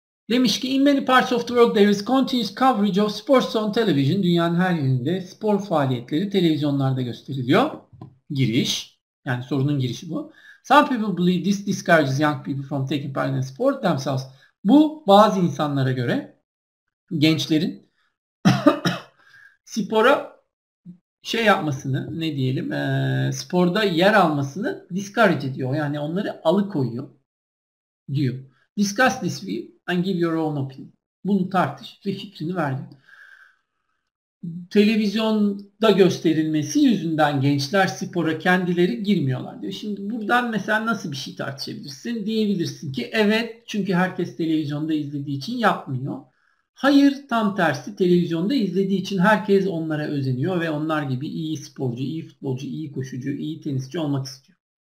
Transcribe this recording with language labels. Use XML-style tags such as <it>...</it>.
<tr>Demiş ki,</tr> <en>in many parts of the world there is continuous coverage of sports on television.</en> <tr>Dünyanın her yerinde spor faaliyetleri televizyonlarda gösteriliyor. Giriş. Yani sorunun girişi bu.</tr> <en>Some people believe this discourages young people from taking part in the sport themselves.</en> <tr>Bu bazı insanlara göre gençlerin spora şey yapmasını, ne diyelim, sporda yer almasını discourage ediyor. Yani onları alıkoyuyor diyor.</tr> <en>Discuss this view and give your own opinion.</en> <tr>Bunu tartış ve fikrini ver. Televizyonda gösterilmesi yüzünden gençler spora kendileri girmiyorlar diyor. Şimdi buradan mesela nasıl bir şey tartışabilirsin? Diyebilirsin ki evet, çünkü herkes televizyonda izlediği için yapmıyor. Hayır, tam tersi, televizyonda izlediği için herkes onlara özeniyor ve onlar gibi iyi sporcu, iyi futbolcu, iyi koşucu, iyi tenisçi olmak istiyor.</tr>